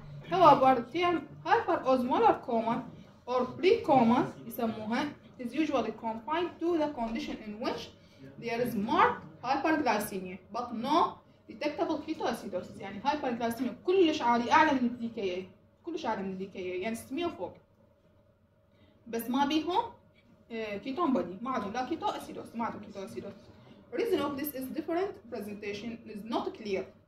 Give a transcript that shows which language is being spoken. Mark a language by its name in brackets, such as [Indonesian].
[English] However, the term hyperosmolar coma or pre-coma is usually confined to the condition in which there is marked hyperglycemia but no detectable keto acidosis. [Arabic] يعني hyperglycemia كلش عالي أعلى من DKA كلش أعلى من DKA يعني 600 فوق بس ما بيهم كيتون بودي ما عندهم لا كيتو اسيدوس ما عندهم كيتو اسيدوس. [English] reason of this is different presentation is not clear.